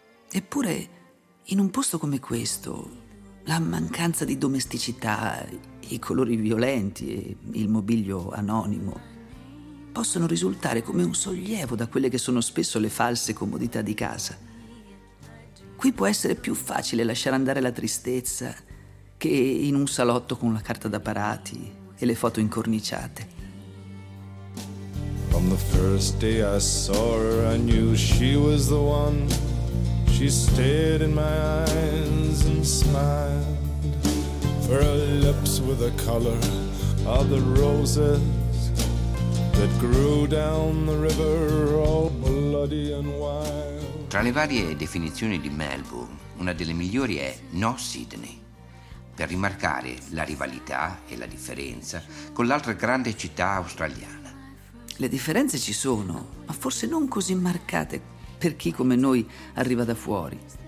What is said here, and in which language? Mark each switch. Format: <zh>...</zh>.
<it>Eppure, in un posto come questo, la mancanza di domesticità, i colori violenti e il mobilio anonimo possono risultare come un sollievo da quelle che sono spesso le false comodità di casa. Qui può essere più facile lasciare andare la tristezza che in un salotto con la carta da parati e le foto incorniciate.</it> <en>From the first day I saw her, I knew she was the one. She stared in my eyes and smiled. For her lips were the color of the roses that grew down the river, all bloody and wild.</en> <it>Tra le varie definizioni di Melbourne, una delle migliori è No Sydney, per rimarcare la rivalità e la differenza con l'altra grande città australiana. Le differenze ci sono, ma forse non così marcate per chi come noi arriva da fuori.</it>